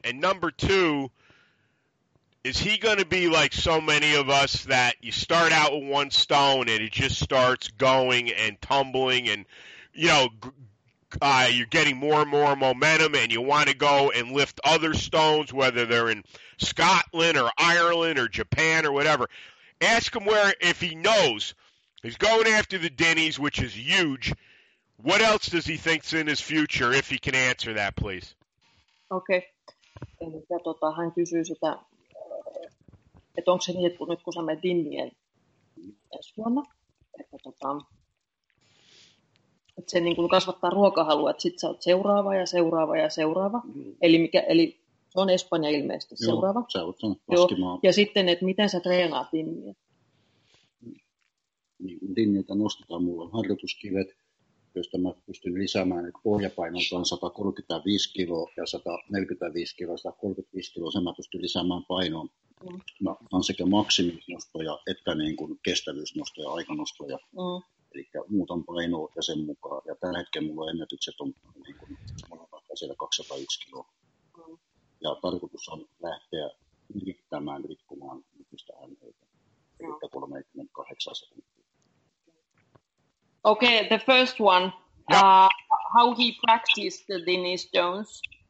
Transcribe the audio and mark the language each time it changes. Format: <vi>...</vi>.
<en>And number two, is he going to be like so many of us that you start out with one stone and it just starts going and tumbling and, you know, you're getting more and more momentum and you want to go and lift other stones, whether they're in Scotland or Ireland or Japan or whatever. Ask him where, if he knows, he's going after the Dinnies, which is huge. What else does he think is in his future, if he can answer that, please? Okay.</en> <fi>Eli hän kysyy sitä, että onko se niin, että nyt kun sä menet Dinnien ensi vuonna, että se niin kuin kasvattaa ruokahalua, että sit sä oot seuraava ja seuraava ja seuraava. Mm. Eli se on Espanja ilmeisesti seuraava. Joo, sä oot sen laskimaan. Ja sitten, että miten sä treenaat Dinniä? Niin, Dinniltä nostetaan, mulla on harjoituskivet, josta mä pystyn lisäämään, että pohjapainoltaan 135 kiloa ja 145 kiloa, 135 kiloa, sen mä pystyn lisäämään painoa. Mä otan sekä maksiminostoja että niin kuin kestävyysnostoja, aikanostoja. Mm. Eli muutan painoa ja sen mukaan. Ja tällä hetkellä mulla ennätykset on niin kuin, siellä 201 kiloa. Mm. Ja tarkoitus on lähteä yrittämään rikkomaan nykyistä äänneitä. Eli 38 sekuntia.</fi> <en>Okay, the first one, how he practiced the Dini stones.</en>